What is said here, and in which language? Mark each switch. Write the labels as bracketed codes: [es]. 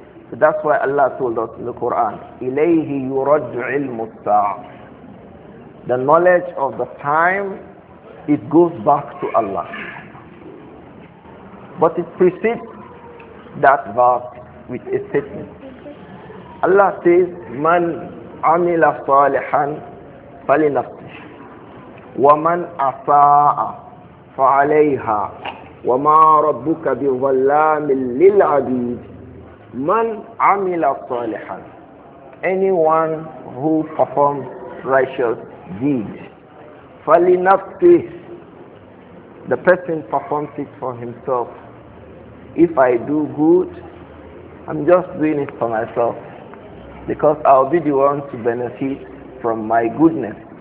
[en] So that's why Allah told us in the Quran, [ar] إِلَيْهِ يُرَجْعِ الْمُسَّاعِ. [en] The knowledge of the time, it goes back to Allah. But it precedes that verse with a statement. Allah says, [ar] مَنْ عَمِلَ صَالِحًا فَلِنَفْسِهِ وَمَنْ أَسَاءَ فَعَلَيْهَا وَمَا رَبُّكَ بِظَلَّامٍ لِلْعَبِيدِ مَنْ عَمِلَ صَالِحًا. [en] Anyone who performs righteous deeds, فَلِنَفْسِهِ, the person performs it for himself. If I do good, I'm just doing it for myself, because I'll be the one to benefit from my goodness.